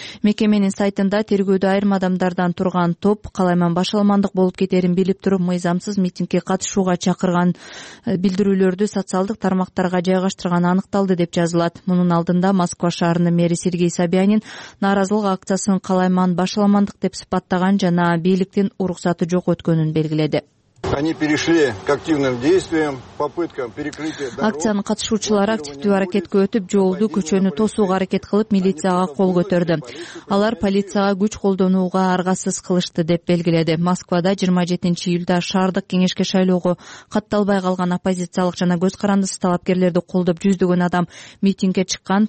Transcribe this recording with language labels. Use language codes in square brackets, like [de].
[ky] Мекеменин сайтында тергөөдө айрым адамдардан турган топ калайман башыламандык болуп кетерин билип туруп мыйзамсыз митингге катышууга чакырган билдирүүлөрдү социалдык тармактарга жайгаштырганы аныкталды деп жазылат. Мунун алдында Москва шаарынын мэри Сергей Собянин нааразылык акциясын калайман башыламандык деп сыпаттаган жана бийликтин уруксаты жок өткөнүн белгиледи. [ru] Они перешли к активным действиям, попыткам перекрытия дорог. [ky] Акциянын катышуучулары активдүү аракетке өтүп, жолду, көчөнү тосууга аракет кылып, милицияга кол көтөрдү. Алар полицияга күч колдонууга аргасыз кылышты деп белгиледи. Москвада 27 июлда шаардык кеңешке шайлоого катталбай калган оппозициялык жана көз карандысыз талапкерлерди колдоп жүздөгөн адам митингге чыккан.